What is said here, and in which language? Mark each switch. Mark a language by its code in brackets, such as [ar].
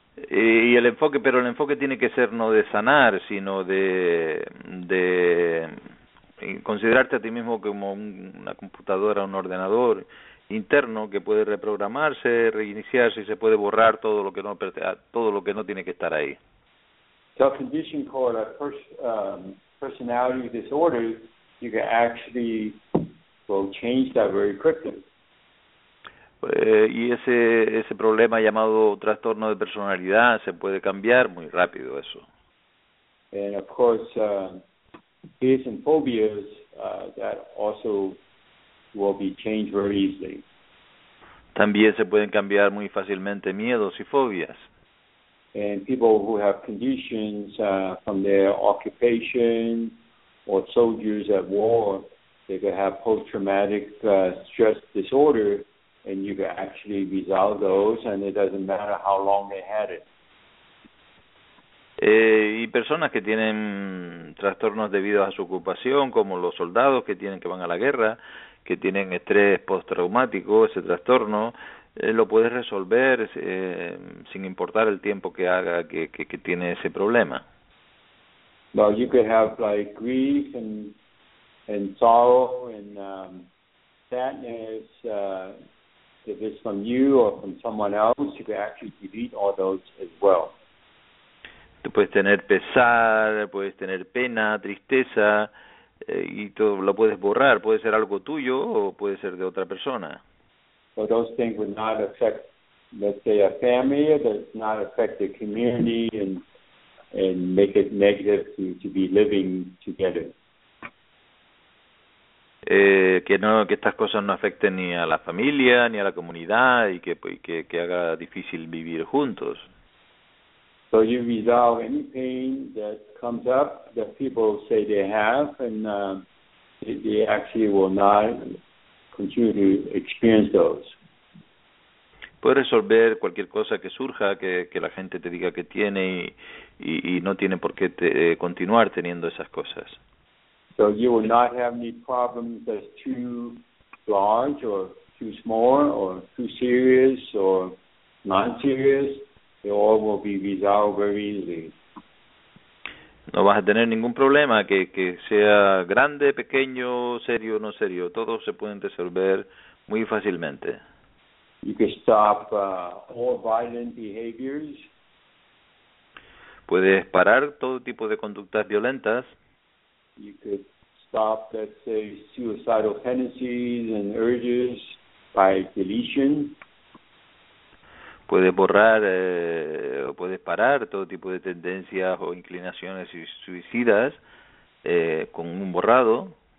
[es] Y el enfoque tiene que ser no de sanar, sino de considerarte a ti mismo como una computadora, un ordenador interno que puede reprogramarse, reiniciarse y se puede borrar todo lo que no tiene que estar ahí. [en] So a condition called a personality disorder, you can actually change that very quickly. [es] Y ese problema llamado trastorno de personalidad se puede cambiar muy rápido eso. [en] And of course, fears and phobias that also will be changed very easily. [es] También se pueden cambiar muy fácilmente miedos y fobias. [en] And people who have conditions from their occupation or soldiers at war, they could have post-traumatic stress disorder. And you can actually resolve those, and it doesn't matter how long they had it. [es] Y personas que tienen trastornos debido a su ocupación, como los soldados que van a la guerra, que tienen estrés postraumático, ese trastorno, lo puedes resolver sin importar el tiempo que haga que tiene ese problema. [en] Well, you could have like grief and sorrow and sadness. If it's from you or from someone else, you can actually delete all those as well. [es] Tú puedes tener pesar, puedes tener pena, tristeza, y todo lo puedes borrar. Puede ser algo tuyo o puede ser de otra persona. [en] So those things would not affect, let's say, a family. Does not affect the community and make it negative to be living together. [es] Que estas cosas no afecten ni a la familia ni a la comunidad y que haga difícil vivir juntos. [en] So you resolve any pain that comes up that people say they have and they actually will not continue to experience those. [es] Puedes resolver cualquier cosa que surja que la gente te diga que tiene y no tiene por qué continuar teniendo esas cosas. [en] So you will not have any problems that's too large or too small or too serious or non-serious. They all will be resolved very easily. [es] No vas a tener ningún problema, que sea grande, pequeño, serio, no serio. Todos se pueden resolver muy fácilmente. [en] You can stop all violent behaviors. [es] Puedes parar todo tipo de conductas violentas. [en] You could stop, let's say, suicidal tendencies and urges by deletion. [es] Puedes borrar o puedes parar todo tipo de tendencias o inclinaciones suicidas con un borrado.